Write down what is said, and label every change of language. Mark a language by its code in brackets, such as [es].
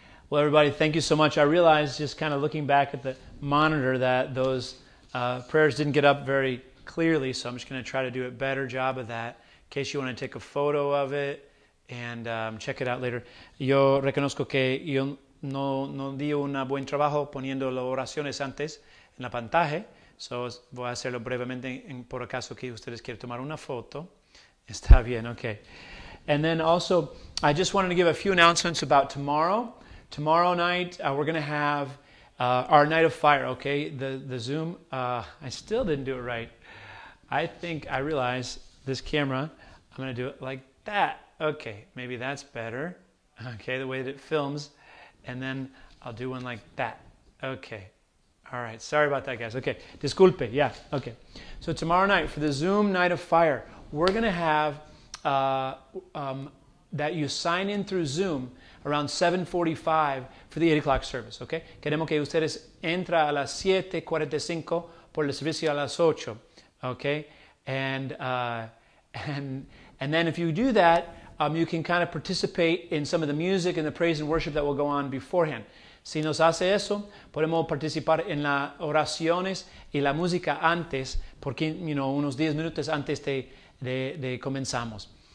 [en] Well, everybody, thank you so much. I realize, just kind of looking back at the monitor, that those prayers didn't get up very clearly, so I'm just going to try to do a better job of that. In case you want to take a photo of it and check it out later. [es] Yo reconozco que yo no di un buen trabajo poniendo las oraciones antes en la pantalla. So voy a hacerlo brevemente por acaso que ustedes quieran tomar una foto. Está bien, okay. [en] And then also, I just wanted to give a few announcements about tomorrow. Tomorrow night, we're going to have our night of fire, okay? The Zoom, I still didn't do it right. I think I realize this camera, I'm going to do it like that. Okay, maybe that's better. Okay, the way that it films. And then I'll do one like that. Okay. All right. Sorry about that, guys. Okay. Disculpe. Yeah. Okay. So tomorrow night, for the Zoom night of fire, we're going to have that you sign in through Zoom around 7:45 for the 8 o'clock service. Okay? [es] Queremos que ustedes entren a las 7:45 por el servicio a las 8. [en] Okay? And then if you do that, you can kind of participate in some of the music and the praise and worship that will go on beforehand. [es] Si nos hace eso, podemos participar en las oraciones y la música antes, porque, [en] you know, [es] unos 10 minutos antes de comenzamos.